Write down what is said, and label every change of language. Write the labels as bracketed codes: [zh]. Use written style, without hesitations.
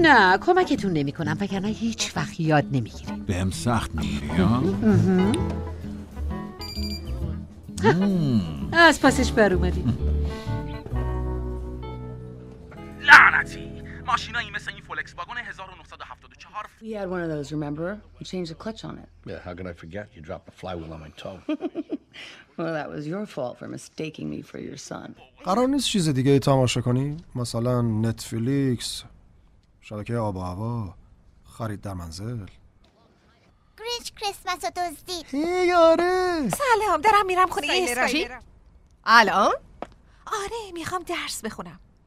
[fa] نه، کمکتون نمی کنم، وگرنه هیچ وقت یاد نمیگیری. بهم سخت میگیری ها؟ از پاسش بر اومدی. لعنتی ماشینایی مثل این فولکس واگن 1974. [en] We had one of those, remember? We changed the clutch on it. Yeah, how can I forget? You dropped the flywheel on my toe. Well, that was your fault for mistaking me for your son. [fa] قرار نیست چیز دیگه تماشا کنی؟ مثلا نتفلیکس، شبکه آب و هوا، خرید در منزل. گرینچ کریسمس رو دزدید. یاره سلام، دارم میرم خونه استراجی. الان؟ آره، میخوام درس بخونم.